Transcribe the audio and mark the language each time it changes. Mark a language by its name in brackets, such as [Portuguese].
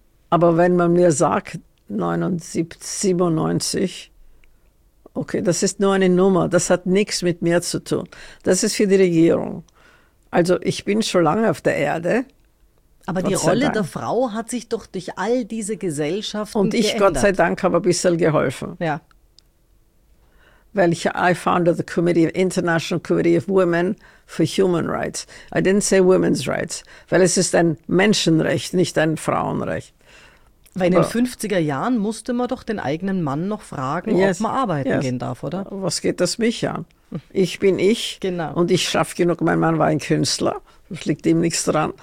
[German] Aber wenn man mir sagt, 97, okay, das ist nur eine Nummer, das hat nichts mit mir zu tun. Das ist für die Regierung. Also ich bin schon lange auf der Erde. Aber die Rolle der Frau hat sich doch durch all diese Gesellschaften geändert. Und ich, Gott sei Dank, habe ein bisschen geholfen. Ja. Weil [English] I founded the Committee, International Committee of Women for Human Rights. I didn't say women's rights, [German] weil es ist ein Menschenrecht, nicht ein Frauenrecht. Weil in den 50er Jahren musste man doch den eigenen Mann noch fragen, ob man arbeiten gehen darf, oder? Was geht das mich an? Ich bin ich und ich schaffe genug. Mein Mann war ein Künstler, es liegt ihm nichts dran.